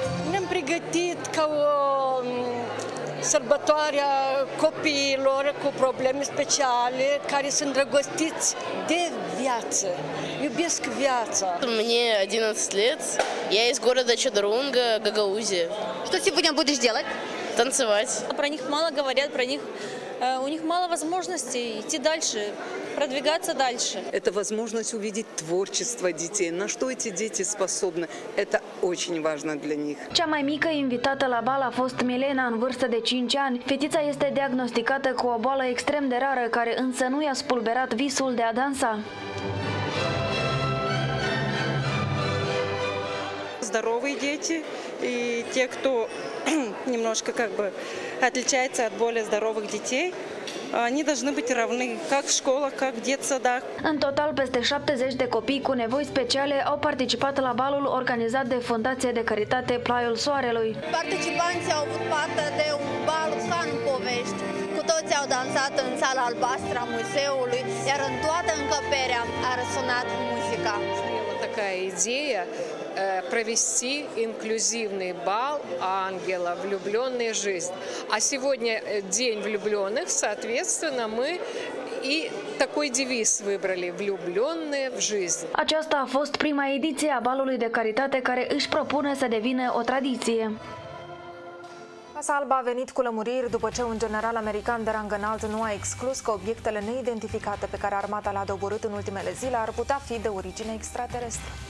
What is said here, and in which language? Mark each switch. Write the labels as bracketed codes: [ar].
[ro] Ne-am pregătit ca o sărbătoarea copiilor cu probleme speciale, care sunt îndrăgostiți de viață, iubesc viața. [ru] Мне 11 лет, я из города Чедрунга, Гагаузия. Что сегодня будешь делать? Танцевать. Про них мало говорят, про них, у них мало возможностей идти дальше, продвигаться дальше. Это возможность увидеть творчество детей, на что эти дети способны. Это очень важно для них. [ro] Cea mai mică invitată la bal a fost Milena, în vârstă de 5 ani. Fetița este diagnosticată cu o boală extrem de rară, care însă nu i-a spulberat visul de a dansa. [ru] Здоровые дети и те, кто немножко как бы отличается от более здоровых детей, они должны быть равны как в школах, как в детсадах. [ro] În total, peste 70 de copii cu nevoi speciale au participat la balul organizat de Fundația de Caritate Plaiul Soarelui. Participanții au avut parte de un bal fan povești. Cu toți au dansat în sala albastră a muzeului, iar în toată încăperea a răsunat muzica. [ru] Такая идея провести инклюзивный бал ангела «Влюбленная жизнь». А сегодня день влюбленных, соответственно, мы и такой девиз выбрали «Влюбленная в жизнь». [ro] Aceasta a fost prima ediție a balului de caritate care își propune să devină o tradiție. Casa Albă a venit cu lămuriri după ce un general american de rang înalt nu a exclus că obiectele neidentificate pe care armata le-a doborât în ultimele zile ar putea fi de origine extraterestră.